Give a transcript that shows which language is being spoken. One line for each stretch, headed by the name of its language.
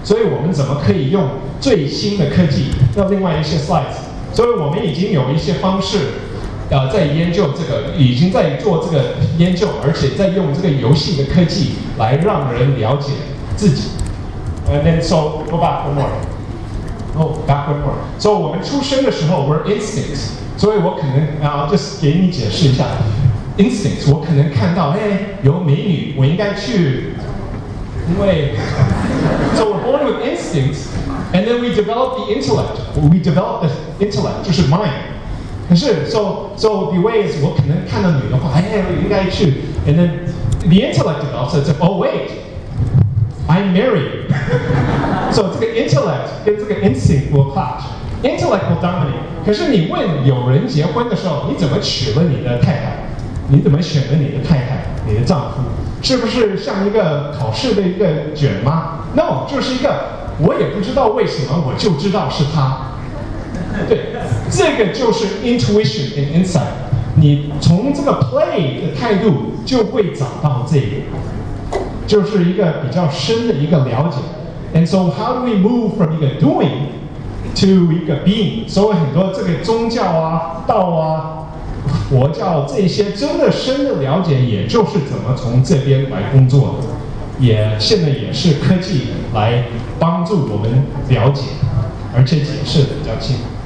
Chinese: 所以我们怎么可以用最新的科技，那另外一些 slides， 所以我们已经有一些方式在研究这个，已经在做这个研究，而且在用这个游戏的科技来让人了解自己。
English: And then so go back one more. Oh, back one more.
Chinese: So 我们出生的时候 we're instincts. 所以我可能 I'll just 给你解释一下 instincts. 我可能看到哎有美女，我应该去，因为 so we're born with instincts, and then we develop the intellect.
English: We develop the intellect, 就是 mind.
Chinese: 可是 so the way is 我可能看到女的话，哎，我应该去。
English: And then the intellect develops. It's like, oh wait, I'm married. So 这个 intellect 跟这个 instinct will clash. Intellect will dominate.
Chinese: 可是你问有人结婚的时候，你怎么娶了你的太太？你怎么选了你的太太？你的丈夫是不是像一个考试的一个卷吗 ？No， 就是一个我也不知道为什么，我就知道是他。对，这个就是 intuition and insight。你从这个 play 的态度就会找到这个，就是一个比较深的一个了解。
English: And so how do we move from 一个 doing to 一个 being？
Chinese: 所以很多这个宗教啊道啊佛教这些真的深的了解，也就是怎么从这边来工作的，也现在也是科技来帮助我们了解而且解释的比较清楚。